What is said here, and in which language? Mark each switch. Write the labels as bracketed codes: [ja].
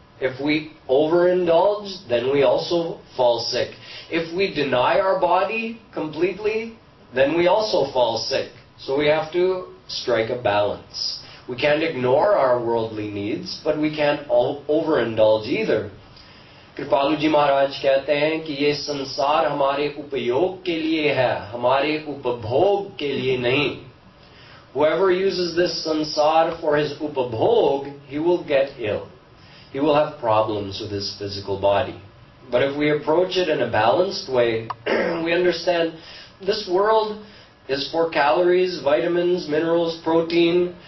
[en] If we overindulge, then we also fall sick. If we deny our body completely, then we also fall sick. So we have to strike a balance. We can't ignore our worldly needs, but we can't overindulge either. [hi] कृपालु जी महाराज कहते हैं कि ये संसार हमारे उपयोग के लिए है, हमारे उपभोग के लिए नहीं। [en] Whoever uses this sansar for his upabhog, he will get ill. He will have problems with his physical body. But if we approach it in a balanced way, we understand this world is for calories, vitamins, minerals, protein.